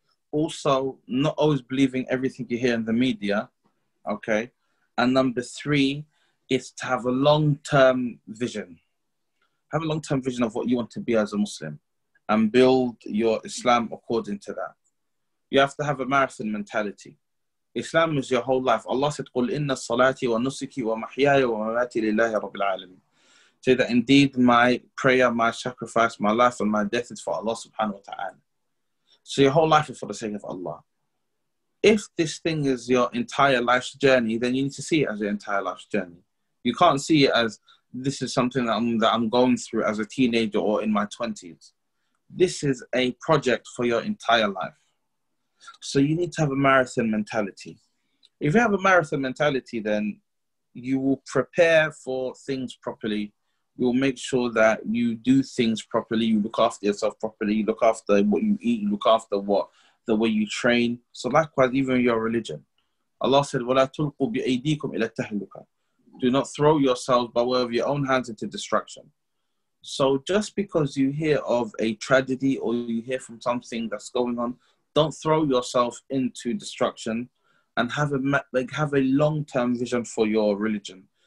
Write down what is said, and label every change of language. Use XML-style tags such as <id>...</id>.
<en>Also, not always believing everything you hear in the media, okay? And number three is to have a long-term vision. Have a long-term vision of what you want to be as a Muslim and build your Islam according to that. You have to have a marathon mentality. Islam is your whole life.</en> <ar>Allah said, قُلْ إِنَّ الصَّلَاتِ وَالنُّسِكِ وَمَحْيَايَ وَمَمَاتِ لِلَّهِ رَبِّ الْعَالَمِينَ.</ar> <en>Say that indeed my prayer, my sacrifice, my life and my death is for Allah subhanahu wa ta'ala. So your whole life is for the sake of Allah. If this thing is your entire life's journey, then you need to see it as your entire life's journey. You can't see it as this is something that I'm going through as a teenager or in my 20s. This is a project for your entire life. So you need to have a marathon mentality. If you have a marathon mentality, then you will prepare for things properly. You will make sure that you do things properly, you look after yourself properly, you look after what you eat, you look after what the way you train. So likewise, even your religion.</en> <ar>Allah said, وَلَا تُلْقُوا بِأَيْدِيكُمْ إِلَى التَّهْلُكَةِ.</ar> <en>Do not throw yourselves by way of your own hands into destruction. So just because you hear of a tragedy or you hear from something that's going on, don't throw yourself into destruction and have a long-term vision for your religion.</en>